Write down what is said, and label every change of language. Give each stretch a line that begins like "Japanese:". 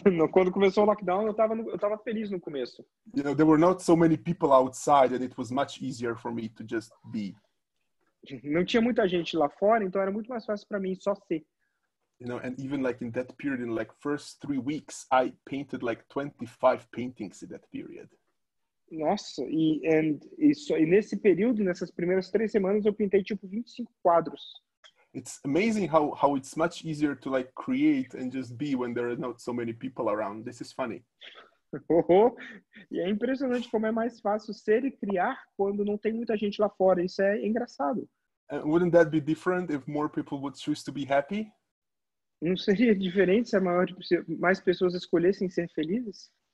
Portuguese: Quando começou o lockdown, eu tava feliz no começo.
English: You know, there were not so many people outside, and it was much easier for me to just be.
Portuguese: Não tinha muita gente lá fora, então era muito mais fácil para mim só ser.
English: You know, and even like in that period, in like first 3 weeks, I painted like 25 paintings in that period.
Portuguese: Nossa, e nesse período, nessas primeiras 3 semanas, eu pintei tipo 25 quadros.
English: It's amazing how it's much easier to like create and just be when there are not so many people around. This is funny.
Portuguese: E é impressionante como é mais fácil ser e criar quando não tem muita gente lá fora. Isso é engraçado.
English: Wouldn't that be different if more people would choose to be happy?
Portuguese: Não seria diferente se mais pessoas escolhessem ser felizes?